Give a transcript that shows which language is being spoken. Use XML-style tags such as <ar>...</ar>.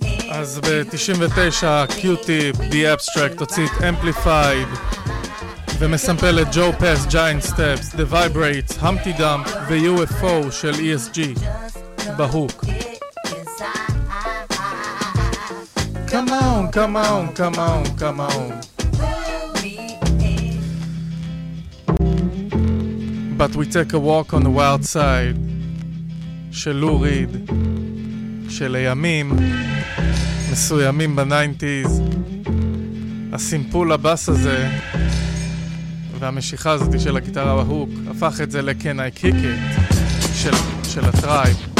<he>אז ב-99 קיוטיפ, The Abstract, הוציא את Amplified ומסמפל את ג'ו פס, Giant Steps, The Vibrates, Humpty Dump ו-UFO של ESG בהוק.</he> <en>Come on, come on, come on, come on. But we take a walk on the wild side</en> <he>של לו ריד, של הימים מסוימים בניינטיז. הסימפול הבאס הזה והמשיכה הזאת של הגיטרה בהוק הפך את זה ל-Can I Kick It של הטרייב.</he>